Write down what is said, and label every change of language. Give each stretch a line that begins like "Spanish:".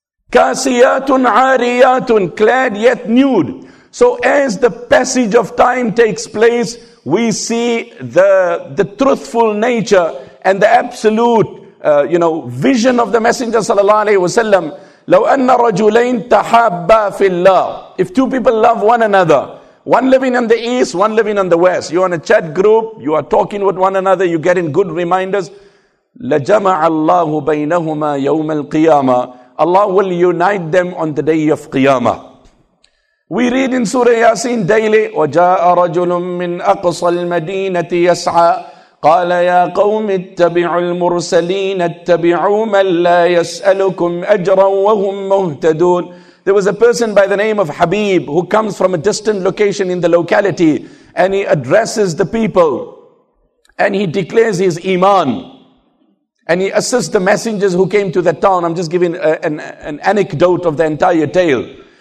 Arabic: Kasiyatun ariyatun,
English: clad yet nude. So as the passage of time takes place, we see the truthful nature and the absolute vision of the Messenger sallallahu alaihi wasallam.
Arabic: لو أن رجلين تحابا في الله.
English: If two people love one another, one living in the east, one living in the west, you're on a chat group, you are talking with one another, you're getting good reminders.
Arabic: لجمع الله بينهما يوم القيامة.
English: Allah will unite them on the day of قيامة. We read in Surah Yasin daily.
Arabic: وجاء رجل من أقصى المدينة يسعى. قال يا قوم اتبعوا المرسلين اتبعوا من لا يسألكم أجرا وهم مهتدون.
English: There was a person by the name of Habib who comes from a distant location in the locality, and he addresses the people and he declares his iman and he assists the messengers who came to that town. I'm just giving an anecdote of the entire tale.